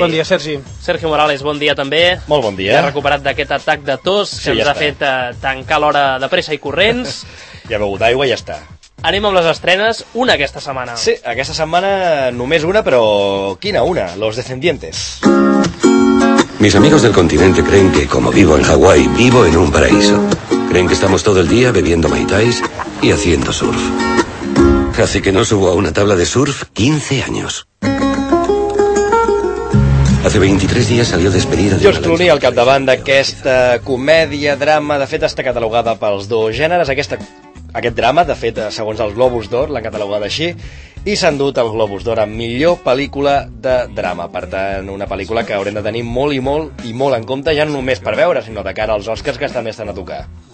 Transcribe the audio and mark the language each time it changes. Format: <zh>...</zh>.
<ca>Bon dia, Sergi. Sergio Morales, bon dia també. Molt bon dia. Ja recuperat d'aquest atac de tos que sí, ens ja ha fet tancar l'hora de pressa i corrents. Ja ha begut aigua i ja està. Anem amb les estrenes, una aquesta setmana. Sí, aquesta setmana només una, però quina una? Los Descendientes.</ca> <es>Mis amigos del continente creen que, como vivo en Hawái, vivo en un paraíso. Creen que estamos todo el día bebiendo Mai Tais y haciendo surf. Hace que no subo a una tabla de surf 15 años. Hace 23 días salió despedida de...</es> <ca>George Clooney al capdavant d'aquesta comèdia, drama, de fet està catalogada pels dos gèneres. Aquest drama, de fet, segons els Globus d'Or, l'han catalogada així, i s'han dut el Globus d'Or a millor pel·lícula de drama. Per tant, una pel·lícula que haurem de tenir molt i molt i molt en compte, ja no només per veure, sinó de cara als Oscars, que també estan a tocar.</ca>